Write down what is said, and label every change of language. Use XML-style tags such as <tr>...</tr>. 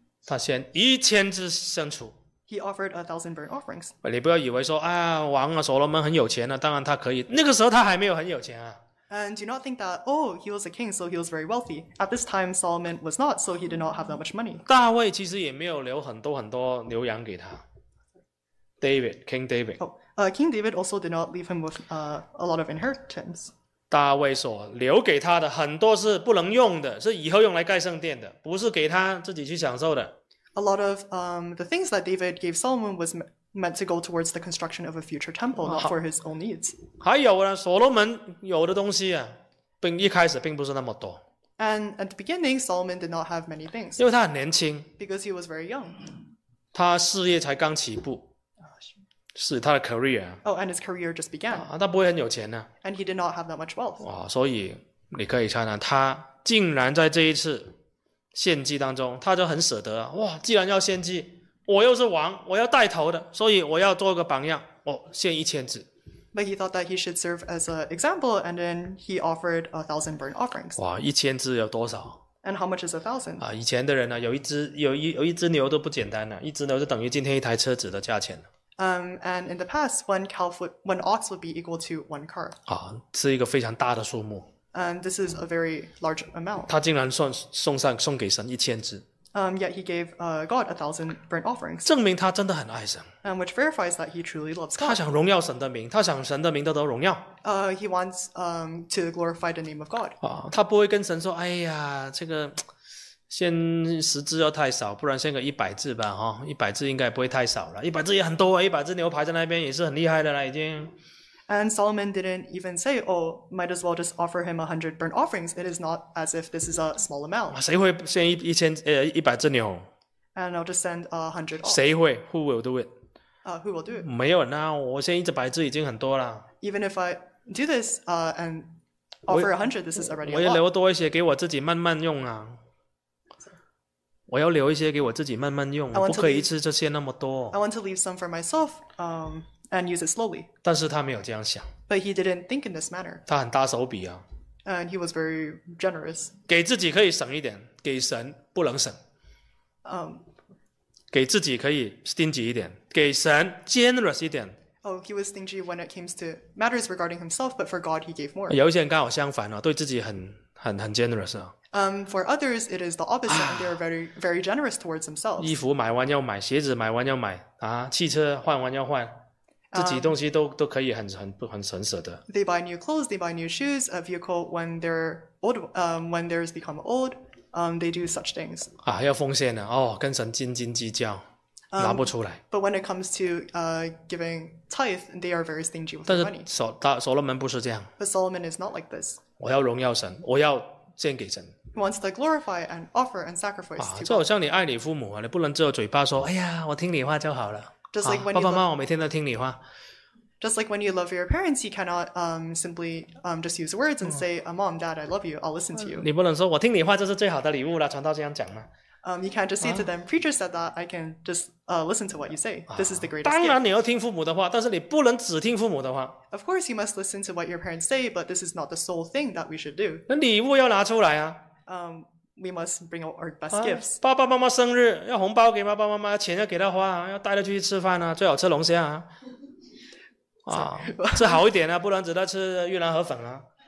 <zh>他献1000只牲畜。</zh> <en>He offered 1000 burnt offerings.</en> <zh>你不要以为说啊，王啊，所罗门很有钱啊，当然他可以。那个时候他还没有很有钱啊。</zh> <en>And do not think that, oh, he was a king, so he was very wealthy. At this time, Solomon was not, so he did not have that much money.</en> <zh>大卫其实也没有留很多很多牛羊给他。</zh> <en>David, King David. King David also did not leave him with a lot of inheritance.</en> <zh>大卫所留给他的很多是不能用的，是以后用来盖圣殿的，不是给他自己去享受的。</zh> <en>A lot of the things that David gave Solomon was meant to go towards the construction of a future temple, not for his own needs.</en> <zh>还有呢，所罗门有的东西啊，一开始并不是那么多。</zh> <en>And at the beginning, Solomon did not have many things.</en> <zh>因为他很年轻。</zh> <en>Because he was very young.</en> <zh>他事业才刚起步。是他的 career.</zh> <en>Oh, and his career just began.</en> <zh>他不会很有钱呢。</zh> <en>And he did not have that much wealth.</en> <zh>哇，所以你可以看到，他竟然在这一次献祭当中，他就很舍得。哇，既然要献祭。我又是王，我要带头的，所以我要做个榜样。哦，献1000只。</zh> <en>But he thought that he should serve as an example, and then he offered 1000 burnt offerings.</en> <zh>哇，1000只有多少</zh> <en>？And how much is 1000？</en> <zh>啊，以前的人呢，有一只牛都不简单了，一只牛就等于今天一台车子的价钱了。</zh> <en>And in the past, one ox would be equal to one car.</en> <zh>啊，是一个非常大的数目。</zh> <en>And this is a very large amount.</en> <zh>他竟然送给神1000只。</zh> <en>Yet he gave God 1000 burnt offerings.</en> <zh>证明他真的很爱神。</zh> <en>And which verifies that he truly loves God.</en> <zh>他想荣耀神的名，他想神的名得到荣耀。</zh> <en>He wants to glorify the name of God.</en> <zh>啊，他不会跟神说，哎呀，这个献10只要太少，不然献个100只吧，哈，100只应该不会太少了，100只也很多啊，100只牛排在那边也是很厉害的了，已经。</zh> <en>And Solomon didn't even say, "Oh, might as well just offer him 100 burnt offerings." It is not as if this is a small amount.</en> <zh>谁会献100只牛</zh> <en>？And I'll just send 100.</en> <zh>谁会</zh> <en>？Who will do it？ Who will do it？</en> <zh>没有人啊，我献100只已经很多了。</zh> <en>Even if I do this, and offer 100, this is already.</en> <zh>我要留多一些给我自己慢慢用啊。我要留一些给我自己慢慢用，不可以一次就献那么多。</zh> <en>I want to leave some for myself. And use it slowly.</en> <zh>但是他没有这样想。</zh> <en>But he didn't think in this manner.</en> <zh>他很大手笔啊。</zh> <en>And he was very generous.</en> <zh>给自己可以省一点，给神不能省。给自己可以stingy一点，给神generous一点。</zh> <en>Oh, he was stingy when it came to matters regarding himself, but for God, he gave more.</en> <zh>有一些人刚好相反啊，对自己很generous 啊。</zh> <en>For others, it is the opposite. They are very, very generous towards themselves.</en> <zh>衣服买完要买，鞋子买完要买啊，汽车换完要换。自己东西 都可以很省舍的。</zh> <en>They buy new clothes, they buy new shoes, a vehicle when they're old, when theirs become old, they do such things.</en> <zh>啊，要奉献呢，哦，跟神斤斤计较，拿不出来。</zh> <en>But when it comes to giving tithe, they are very stingy with their money.</en> <zh>所罗门不是这样。</zh> <en>But Solomon is not like this.</en> <zh>我要荣耀神，我要献给神。</zh> <en>Wants to glorify and offer and sacrifice.</en> <zh>啊，就好像你爱你父母啊，你不能只有嘴巴说，哎呀，我听你话就好了。</zh> <en>Just like when</en> <zh>爸爸妈妈，我每天都听你话。</zh> <en>Just like when you love your parents, you cannot simply just use words and say, "Mom, Dad, I love you. I'll listen to you."</en> <zh>你不能说我听你话就是最好的礼物了，传道这样讲吗？</zh> <en>You can't just say to them, "Preacher said that. I can just listen to what you say. This is the greatest."</en> <zh>当然你要听父母的话，但是你不能只听父母的话。</zh> <en>Of course, you must listen to what your parents say, but this is not the sole thing that we should do.</en> <zh>那礼物要拿出来啊。</zh> <en>We must bring our best gifts.</en> <zh>爸爸妈妈生日要红包给爸爸妈妈，钱要给他花，要带他去吃饭啊，最好吃龙虾啊，吃好一点啊，不然只能吃越南河粉啊。</zh>